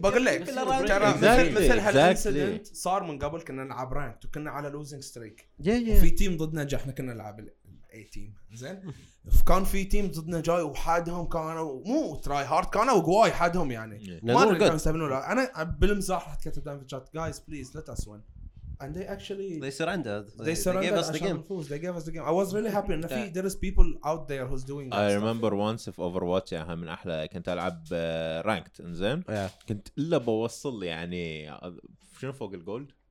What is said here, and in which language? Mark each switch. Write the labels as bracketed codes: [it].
[ar] بقول لك مثل هالincident صار من قبل كنا نلعب ranked وكنا على losing streak في تيم ضدنا جاء احنا كنا نلعب A team زين كان في تيم ضدنا جاي وحدهم كانوا مو [en] try hard [ar] كانوا وقواي حدهم يعني انا بالمزاح رح تكتب دائما في الشات [en] guys please let us win and they actually they surrendered they gave us the game I was really happy and yeah. there is people out there who's doing that I remember stuff. once of Overwatch [ar] يعني من أحلى كنت ألعب ranked إنزين [en] yeah. [ar] كنت إلا بوصل يعني شنو فوق الجولد